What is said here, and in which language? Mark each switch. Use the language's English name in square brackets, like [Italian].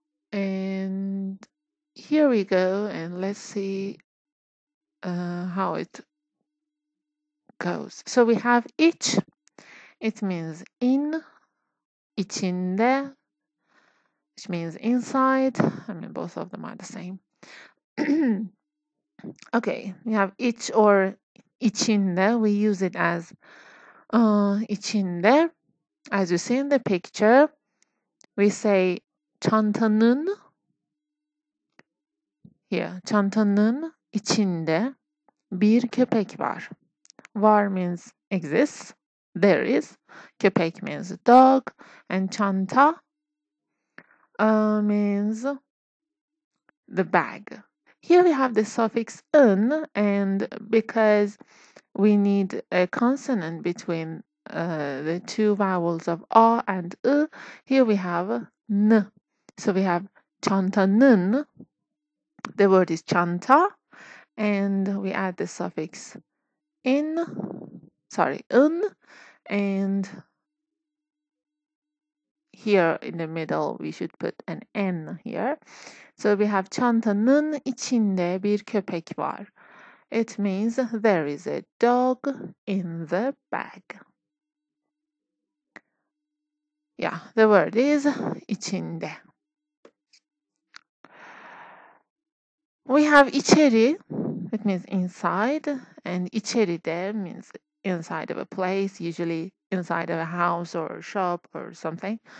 [English] And here we go, and let's see how it goes. So we have iç, it means in, içinde, which means inside. I mean, both of them are the same. Okay, we have iç or içinde. We use it as içinde. As you see in the picture, we say çantanın. [Turkish] Here, çantanın içinde bir köpek var. [English] Var means exists. There is. Köpek means dog. And çanta means the bag. Here we have the suffix ın, and because we need a consonant between the two vowels of a and ı, here we have n. So we have çantanın. The word is çanta, and we add the suffix ın, and here in the middle, we should put an N here. So we have [Turkish] çantanın içinde bir köpek var. [English] It means there is a dog in the bag. Yeah, the word is içinde. We have içeri, it means inside. And içeri de means inside of a place, usually inside of a house or a shop or something.